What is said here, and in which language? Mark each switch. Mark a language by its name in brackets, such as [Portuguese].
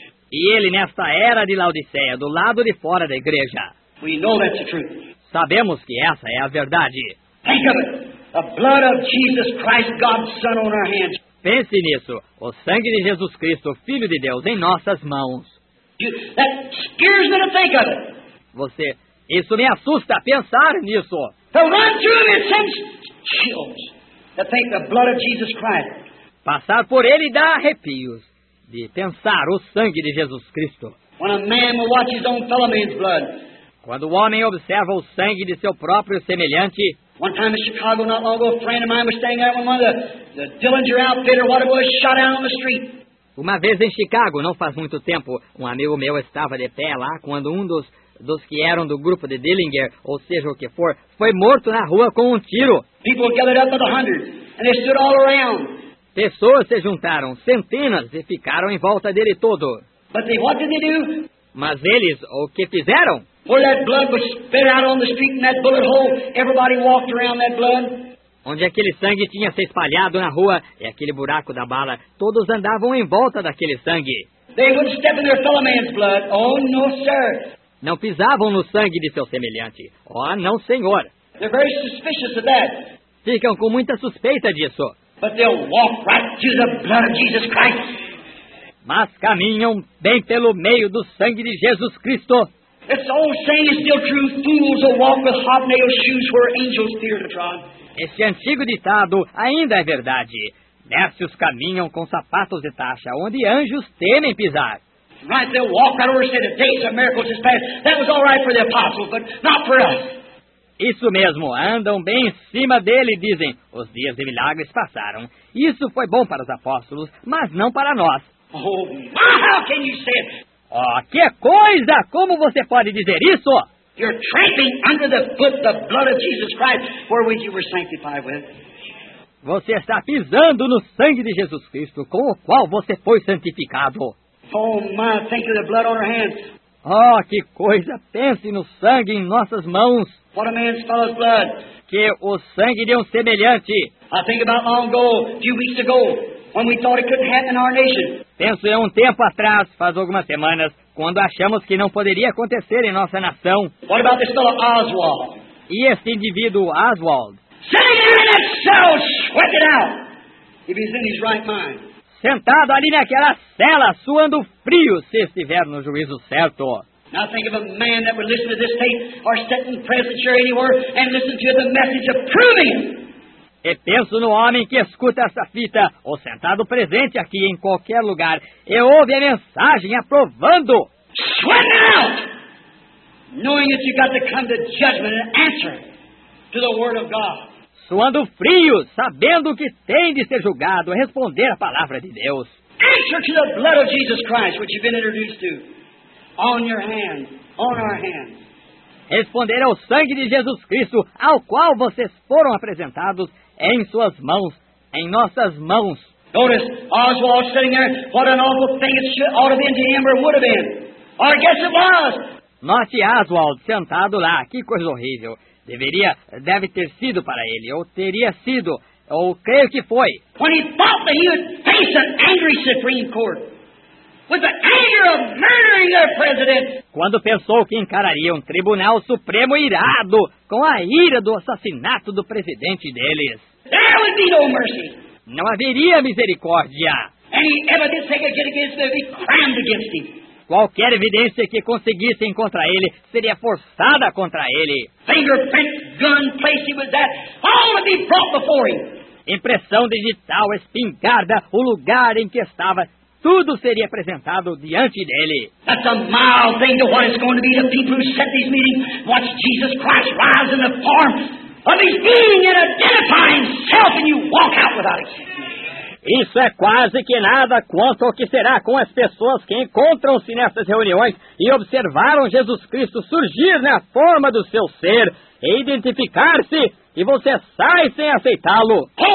[Portuguese] E ele nesta era de Laodiceia, do lado de fora da igreja. [English] We know that's the truth. [Portuguese] Sabemos que essa é a verdade. [English] Think of it. The blood of Jesus Christ, God's Son, on our hands. [Portuguese] Pense nisso. O sangue de Jesus Cristo, Filho de Deus, em nossas mãos. [English] That scares me to think of it. [Portuguese] Você, isso me assusta pensar nisso. [English] To run through it sends chills. To think the blood of Jesus Christ. [Portuguese] Passar por ele dá arrepios de pensar o sangue de Jesus Cristo. [English] When a man will watch his own fellow man's blood. [Portuguese] Quando o homem observa o sangue de seu próprio semelhante. [English] One time in Chicago, not long ago, a friend of mine was staying out with one of the Dillinger outfit or what it was, shot out on the street. [Portuguese] Uma vez em Chicago, não faz muito tempo, um amigo meu estava de pé lá quando um dos que eram do grupo de Dillinger, ou seja o que for, foi morto na rua com um tiro. [English] People gathered up by the hundreds and they stood all around. [Portuguese] Pessoas se juntaram, centenas, e ficaram em volta dele todo. [English] But they, what did they do? [Portuguese] Mas eles, o que fizeram? [English] Where that blood was spit out on the street in that bullet hole, everybody walked around that blood. [Portuguese] Onde aquele sangue tinha se espalhado na rua e aquele buraco da bala, todos andavam em volta daquele sangue. [English] They wouldn't step in their fellow man's blood. Oh, no, sir. [Portuguese] Não pisavam no sangue de seu semelhante. Oh, não, senhor. [English] They're very suspicious of that. [Portuguese] Ficam com muita suspeita disso. [English] But they'll walk right through the blood of Jesus Christ. [Portuguese] Mas caminham bem pelo meio do sangue de Jesus Cristo. [English] This old saying is still true. Fools will walk with hobnail shoes where angels fear to trod. [Portuguese] Este antigo ditado ainda é verdade. Nécios caminham com sapatos de tacha onde anjos temem pisar. [English] Right, they'll walk right over and say the days of miracles is past. That was all right for the apostles, but not for us. [Portuguese] Isso mesmo, andam bem em cima dele e dizem, os dias de milagres passaram. Isso foi bom para os apóstolos, mas não para nós. [English] Oh, how can you say it? [Portuguese] Oh, que coisa! Como você pode dizer isso? [English] You're tramping under the foot the blood of Jesus Christ, for which you were sanctified with. [Portuguese] Você está pisando no sangue de Jesus Cristo, com o qual você foi santificado. [English] Oh, my, thank you, the blood on our hands. [Portuguese] Oh, que coisa! Pense no sangue em nossas mãos. [English] What a man's fellow's blood. [Portuguese] Que o sangue de semelhante. [English] I think about long ago, a few weeks ago, when we thought it couldn't happen in our nation. [Portuguese] Penso em tempo atrás, faz algumas semanas, quando achamos que não poderia acontecer em nossa nação. [English] What about this fellow Oswald? [Portuguese] E este indivíduo Oswald? [English] Sitting there in that cell, sweat it out. If he's in his right mind. [Portuguese] Sentado ali naquela cela, suando frio, se estiver no juízo certo. [English] Now think of a man that would listen to this tape or sit in presbytery anywhere and listen to the message of proving. [Portuguese] E penso no homem que escuta essa fita ou sentado presente aqui em qualquer lugar e ouve a mensagem aprovando. [English] Sweat it out! Knowing that you've got to come to judgment and answer to the word of God. [Portuguese] Suando frio, sabendo que tem de ser julgado, responder à palavra de Deus. [English] Answer to the blood of Jesus Christ, which you've been introduced to. On your hands, on our hands. [Portuguese] responder ao sangue de Jesus Cristo, ao qual vocês foram apresentados em suas mãos, em nossas mãos. [English] Notice Oswald sitting there. What an awful thing it should, ought to have been to him, or would have been. Or I guess it was. [Portuguese] Note Oswald sentado lá. Que coisa horrível. Deveria, deve ter sido para ele, ou teria sido, ou creio que foi. [English] When he thought that he would face an angry Supreme Court, with the anger of murdering their president. [Portuguese] Quando pensou que encararia um tribunal supremo irado com a ira do assassinato do presidente deles. [English] There would be no mercy. [Portuguese] Não haveria misericórdia. [English] Any evidence they could get against him, they'd be crammed against him. [Portuguese] Qualquer evidência que conseguissem contra ele seria forçada contra ele. [English] Fingerprint, gun, place he was at, all would be brought before him. [Portuguese] Impressão digital, espingarda, o lugar em que estava, tudo seria apresentado diante dele. [English] That's a mild thing to what it's going to be to people who set these meetings. Watch Jesus Christ rise in the form of his being and identify himself and you walk out without it. [Portuguese] Isso é quase que nada quanto ao que será com as pessoas que encontram-se nessas reuniões e observaram Jesus Cristo surgir na forma do seu ser e identificar-se, e você sai sem aceitá-lo.